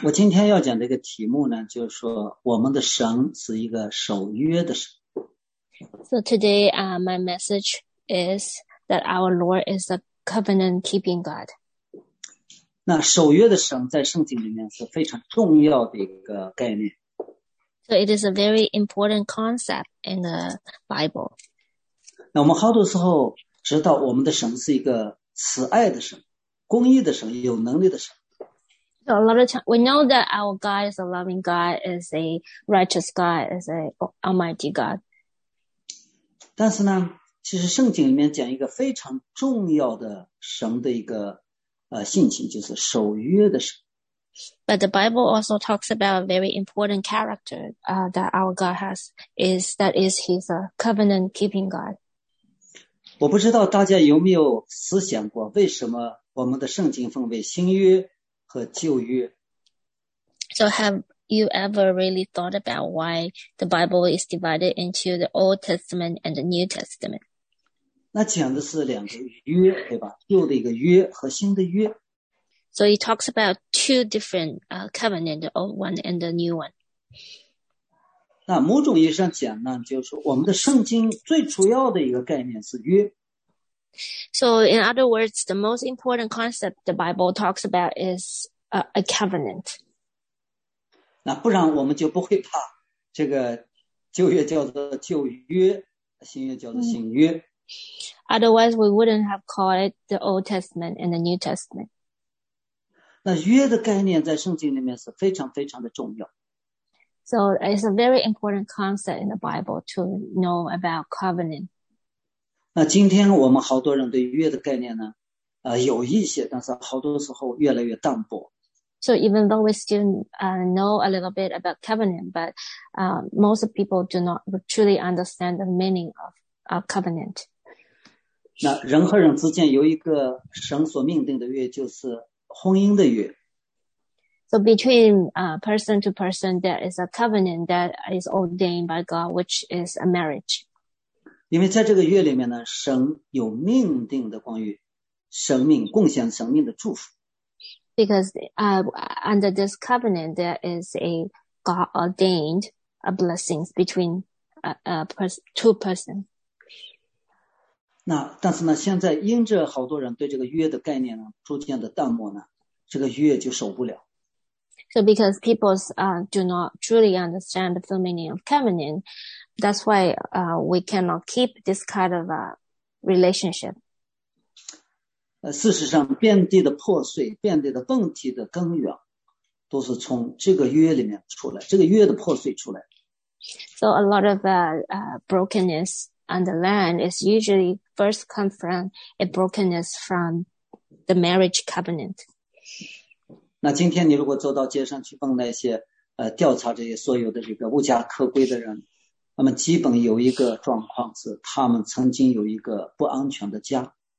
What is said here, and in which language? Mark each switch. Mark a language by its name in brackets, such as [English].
[Chinese] 我今天要讲的一个题目呢，就是说我们的神是一个守约的神。 [English] So today, my message is that our Lord is a covenant-keeping God. [Chinese] 那守约的神在圣经里面是非常重要的一个概念。 [English] So it is a very important concept in the Bible. [Chinese] 那我们好多时候知道我们的神是一个慈爱的神、公义的神、有能力的神。 [English] So a lot of time, we know that our God is a loving God, is a righteous God, is a almighty God. [Chinese] 但是呢，其实圣经里面讲一个非常重要的神的一个性情，就是守约的神。 [English] But the Bible also talks about a very important character, that our God has is that is He's a covenant-keeping God. [Chinese] 我不知道大家有没有思想过，为什么我们的圣经分为新约和旧约？ [English] So have you ever really thought about why the Bible is divided into the Old Testament and the New Testament? [Chinese] 那讲的是两个约，对吧？旧的一个约和新的约。 [English] So it talks about two different covenant, the old one and the new one. [Chinese] 那某种意义上讲呢，就是我们的圣经最主要的一个概念是约。 [English] So in other words, the most important concept the Bible talks about is a covenant. [Chinese] 那不然我们就不会把这个旧约叫做旧约，新约叫做新约。 [English] Otherwise, we wouldn't have called it the Old Testament and the New Testament. [Chinese] 那约的概念在圣经里面是非常非常的重要。 [English] So it's a very important concept in the Bible to know about covenant. [Chinese] 那今天我们好多人对约的概念呢，有一些，但是好多时候越来越淡薄。 [English] So even though we still know a little bit about covenant, but most people do not truly understand the meaning of a covenant. [Chinese] 那人和人之间有一个神所命定的约，就是。婚姻的约， [English] So between person to person, there is a covenant that is ordained by God, which is a marriage. [Chinese] 因为在这个约里面呢，神有命定的关于生命、贡献生命的祝福。 [English] Because under this covenant, there is a God ordained a blessings between a person two person. [Chinese] 那但是呢，现在因着好多人对这个约的概念呢，逐渐的淡漠呢。这个约就守不了。 [English] So, because people do not truly understand the full meaning of covenant, that's why we cannot keep this kind of a relationship. [Chinese] 事实上，遍地的破碎、遍地的问题的根源，都是从这个约里面出来，这个约的破碎出来。 [English] So, a lot of brokenness on the land is usually first come from a brokenness from the marriage covenant. [Chinese] 那今天你如果走到街上去问那些调查这些所有的这个无家可归的人，那么基本有一个状况是，他们曾经有一个不安全的家。